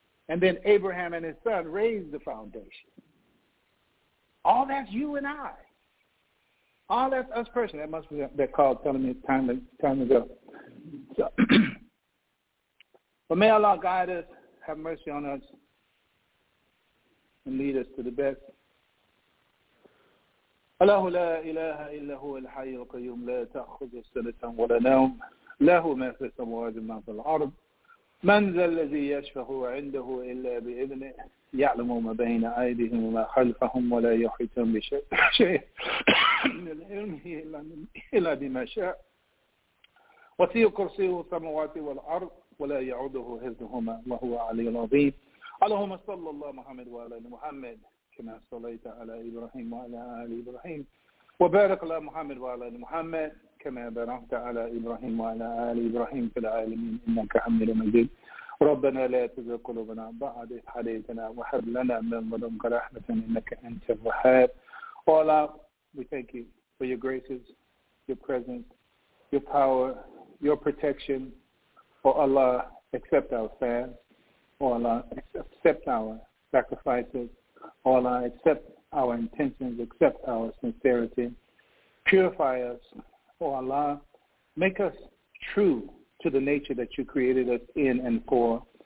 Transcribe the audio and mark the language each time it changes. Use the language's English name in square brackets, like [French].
[English] And then Abraham and his son raise the foundation. All that's you and I. All that's us person. That must be that call telling me it's time to go. So, but may Allah guide us, have mercy on us, and lead us to the best. [Arabic] له لا إله إلا هو الحي القيوم لا تأخذ سنة ولا نوم له ما في السماوات وما في الأرض من ذا الذي يشفع عنده إلا بإذنه يعلم ما بين أيديهم وما خلفهم ولا يحيطون بشيء من علمه إلا بما شاء وسيع كرسيه السماوات والأرض ولا يعوده حفظهما وهو العلي العظيم اللهم صل على محمد وعلى محمد كما صليت على إبراهيم وعلى آل إبراهيم وبارك على محمد وعلى محمد كما باركت على إبراهيم وعلى آل إبراهيم في العالمين إنك حميد مجيد ربنا لا تزغ قلوبنا بعد إذ هديتنا وهب لنا من لدنك رحمة إنك أنت الوهاب [English] Allah, we thank you for your graces, your presence, your power, your protection. Oh Allah, accept our fast. Oh Allah, accept our sacrifices. Oh Allah, accept our intentions, accept our sincerity, purify us, oh Allah, make us true to the nature that you created us in and for.